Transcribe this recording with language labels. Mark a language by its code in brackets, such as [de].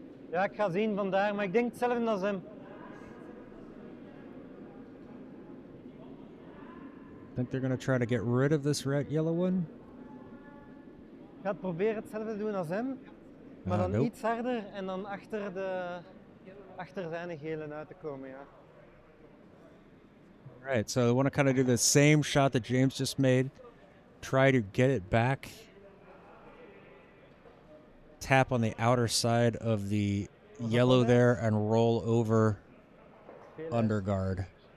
[nl] Ja, ik ga zien vandaag, maar ik denk hetzelfde als hem. [en] I think they're going to try to get rid of this red yellow one. [nl] Ga het proberen hetzelfde te doen als hem, maar dan [en] nope. [nl] Iets harder en dan achter de achter zijn gele uit te komen, ja. [en] All right, so I want to kind of do the same shot that James just made. Try to get it back. Tap on the outer side of the yellow there and roll over underguard.